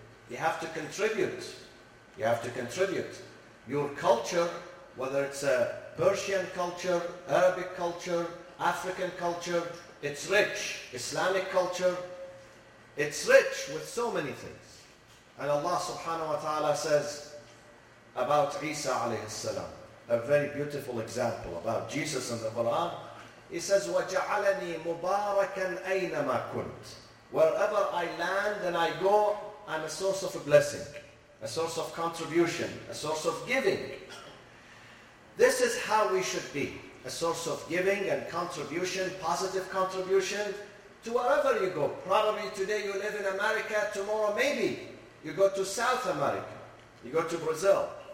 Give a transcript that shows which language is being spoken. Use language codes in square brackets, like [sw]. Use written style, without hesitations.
[en] You have to contribute. You have to contribute. Your culture, whether it's a Persian culture, Arabic culture, African culture, it's rich. Islamic culture, it's rich with so many things. And Allah subhanahu wa ta'ala says about Isa alayhi salam, a very beautiful example about Jesus in the Quran. He says, [ar] وَجَعَلَنِي مُبَارَكًا أَيْنَمَا كُنْتِ. [en] Wherever I land and I go, I'm a source of a blessing, a source of contribution, a source of giving. This is how we should be, a source of giving and contribution, positive contribution, to wherever you go. Probably today you live in America, tomorrow maybe you go to South America, you go to Brazil.